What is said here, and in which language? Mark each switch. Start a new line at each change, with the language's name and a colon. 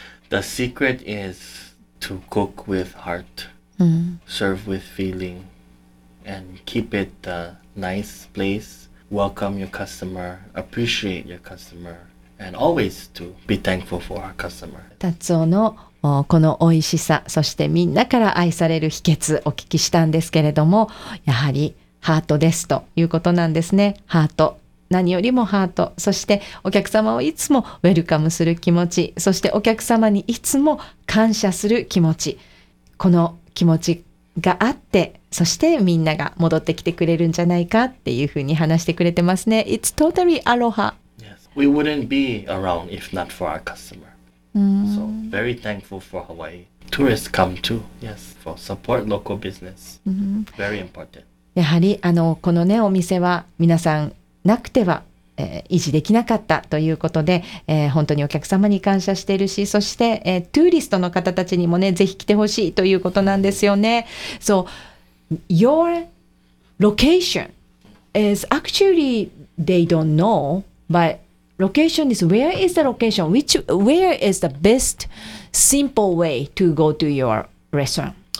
English: The secret is to cook with heart, serve with feeling, and keep it a nice place. Welcome your customer, appreciate your customer, and always to be thankful for our customer.
Japanese: Tatsuo のこの美味しさ、そしてみんなから愛される秘訣お聞きしたんですけれども、やはりハートですということなんですね。ハート。何よりもハート、そしてお客様をいつもウェルカムする気持ち、そしてお客様にいつも感謝する気持ち、この気持ちがあって、そしてみんなが戻ってきてくれるんじゃないかっていうふうに話してくれてますね。
English: It's totally aloha. Yes, we wouldn't be around if not for our customer. So very thankful for Hawaii. Tourists come too. Yes, for support local business. Very important.
Japanese: やはりあのこのねお店は皆さんなくては、維持できなかったということで、本当にお客様に感謝しているし、そして、トゥーリストの方たちにもね、ぜひ来てほしいということなんですよね。
English: So, your location is actually they don't know, but location is where is the location? Which, where is the best simple way to go to your restaurant?